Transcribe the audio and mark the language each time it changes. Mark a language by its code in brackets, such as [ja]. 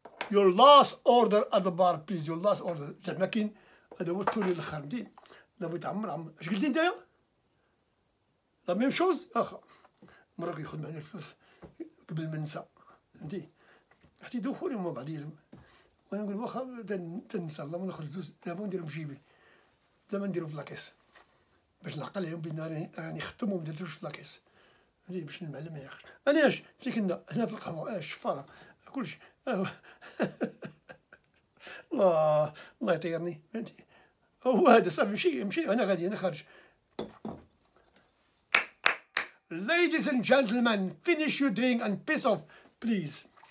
[en] Your last order at the bar, please. Your last order. [ar] زعما كاين هذا هو التوني الاخر فهمتي، لا بغيت عمر عمر. اش قلتي نتايا؟ لا ميم شوز؟ اخا مراك ياخذ معنا الفلوس قبل ما ننسى فهمتي، حتى يدوخوني هما بعضياتهم وانا نقول واخا تنسى، اللهم ناخذ الفلوس دابا نديرهم جيبي بلا ما نديرو في لاكيس باش نعقل عليهم بان راني ختم وما درتوش في لاكيس فهمتي، باش المعلم ما ياخذ. علاش؟ فين كنا؟ هنا في القهوة، الشفارة، كلشي. الله يطيرني فهمتي، هو هذا صافي. مشي انا غادي، انا خارج. [en] Ladies and gentlemen, finish your drink and piss off please.